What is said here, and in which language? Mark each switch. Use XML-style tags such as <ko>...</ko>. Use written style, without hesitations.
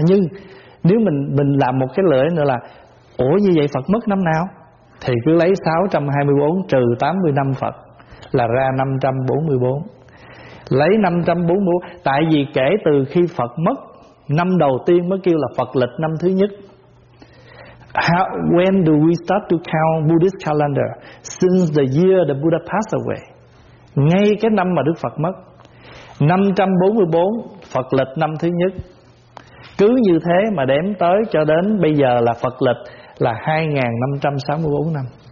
<vi>Nhưng nếu mình làm một cái lợi nữa là, ủa như vậy Phật mất năm nào? Thì cứ lấy 624 trừ 80 năm Phật là ra 544. Lấy 544, tại vì kể từ khi Phật mất, năm đầu tiên mới kêu là Phật lịch năm thứ nhất.</vi> <en>When do we start to count Buddhist calendar? Since the year the Buddha passed away.</en> <vi>Ngay cái năm mà Đức Phật mất. 544 Phật lịch năm thứ nhất. Cứ như thế mà đếm tới cho đến bây giờ là Phật lịch là 2564 năm.</vi>